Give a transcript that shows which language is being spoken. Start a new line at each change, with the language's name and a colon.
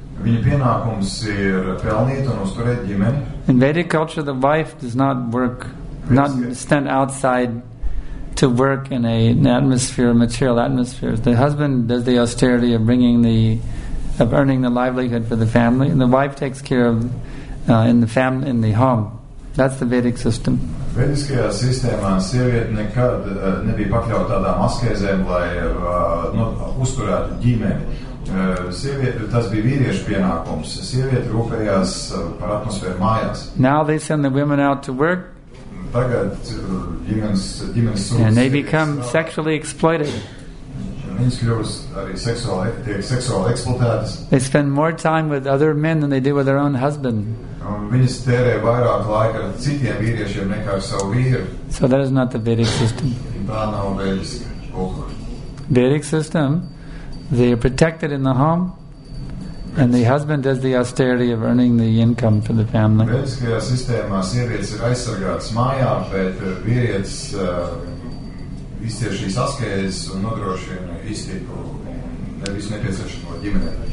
Latvian: Viņa pienākums ir pelnīt un uzturēt ģimeni.
English: In Vedic culture, the wife does not work, not stand outside to work in an atmosphere, material atmosphere. The husband does the austerity of bringing the, of earning the livelihood for the family, and the wife takes care of in the family, in the home. That's the Vedic system.
Latvian: Vediskajā sistēmā sieviete nekad nebija pakļauta tādām askezēm, lai uzturētu ģimeni. Sieviete, tas bija vīriešu pienākums. Sieviete rūpējās par atmosfēru mājās.
English: Now they send the women out to work.
Latvian: Tagad ģimenes sūta.
English: And they become sexually exploited.
Latvian: Viņas kļūst arī seksuāli eksploatētas.
English: They spend more time with other men than they do with their own husband.
Latvian: Viņas tērē vairāk laika ar citiem vīriešiem nekā ar savu vīru.
English: So that is not the Vedic system.
Latvian: Tā nav vēdiska.
English: Vedic system, they are protected in the home, and the husband does the austerity of earning the income for the family.
Latvian: Vediskajā sistēmā sievietes ir aizsargātas mājā, bet vīrietis izstiet šīs askēzes un nodrošina iztiku nevis nepieciešamo ģimenē.